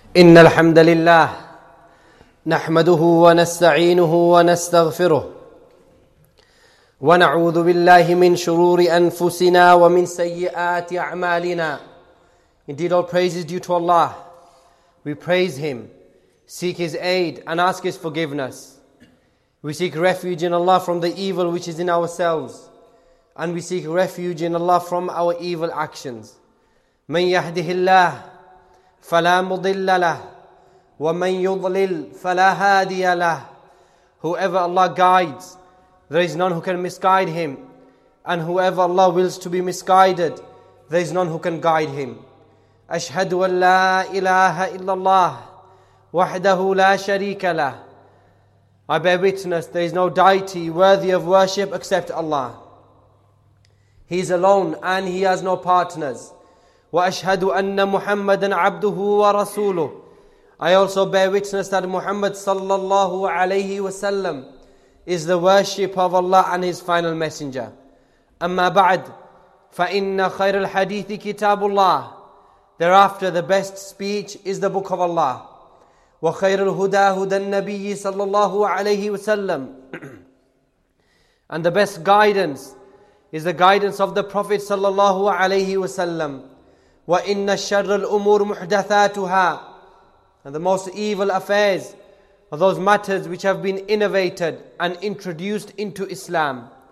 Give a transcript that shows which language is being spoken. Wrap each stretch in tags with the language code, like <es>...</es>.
<ar>إن الحمد لله نحمده ونستعينه ونستغفره ونعوذ بالله من شرور أنفسنا ومن سيئات أعمالنا.</ar> <en>Indeed, all praise is due to Allah. We praise Him, seek His aid, and ask His forgiveness. We seek refuge in Allah from the evil which is in ourselves, and we seek refuge in Allah from our evil actions.</en> <ar>من يهده الله فلا مضل له ومن يضلل فلا هادي له.</ar> <en>Whoever Allah guides, there is none who can misguide him, and whoever Allah wills to be misguided, there is none who can guide him.</en> <ar>أشهد أن لا إله إلا الله وحده لا شريك له.</ar> <en>I bear witness, there is no deity worthy of worship except Allah. He is alone and He has no partners.</en> <ar>وأشهد أن محمدا عبده ورسوله.</ar> <en>I also bear witness that Muhammad</en> <ar>صلى الله عليه وسلم</ar> <en>is the worship of Allah and His final messenger.</en> <ar>أما بعد فإن خير الحديث كتاب الله.</ar> <en>Thereafter, the best speech is the book of Allah.</en> <ar>وخير الهدى هدى النبي صلى الله عليه وسلم.</ar> <en>And the best guidance is the guidance of the Prophet</en> <ar>صلى الله عليه وسلم. وَإِنَّ الشَّرَّ الْأُمُورُ مُحْدَثَاتُهَا.</ar> <en>And the most evil affairs are those matters which have been innovated and introduced into Islam.</en>